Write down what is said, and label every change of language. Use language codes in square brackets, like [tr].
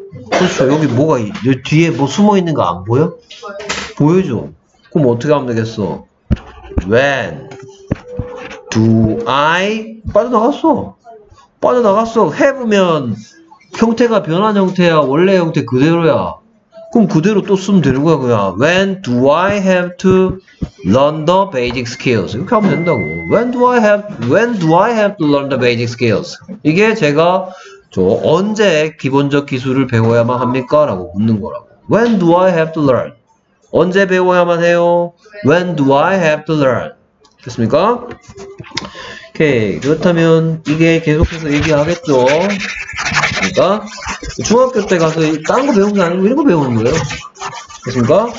[ko] 그쵸 여기 뭐가 여기 뒤에 뭐 숨어있는 거 안 보여? 보여줘. 그럼 어떻게 하면 되겠어? [en] When do I [ko] 빠져나갔어. 빠져나갔어. 해보면 형태가 변한 형태야. 원래 형태 그대로야. 그럼 그대로 또 쓰면 되는 거야 그냥. [en] When do I have to learn the basic skills? [ko] 이렇게 하면 된다고. [en] When do I have to learn the basic skills? [ko] 이게 제가 저 언제 기본적 기술을 배워야만 합니까? 라고 묻는 거라고. [en] When do I have to learn? [ko] 언제 배워야만 해요? [en] When do I have to learn? [ko] 됐습니까? 오케이 그렇다면 이게 계속해서 얘기하겠죠. 그러니까 중학교 때 가서 다른 거 배운 게 아니고 이런 거 배우는 거예요. 됐습니까?